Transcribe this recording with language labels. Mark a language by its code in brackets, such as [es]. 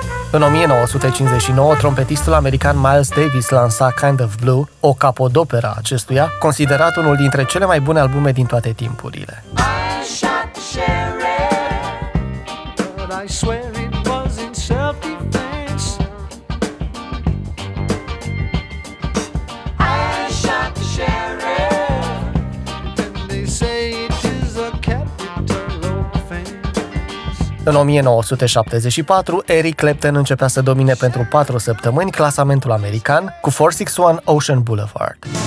[ro] În 1959, trompetistul american Miles Davis lansa Kind of Blue, o capodoperă a acestuia, considerat unul dintre cele mai bune albume din toate timpurile. [en] I swear it was in self-defense. I shot the sheriff. And they say it is a capital offense. [ro] În 1974, Eric Clapton începea să domine pentru 4 săptămâni clasamentul american cu 461 Ocean Boulevard.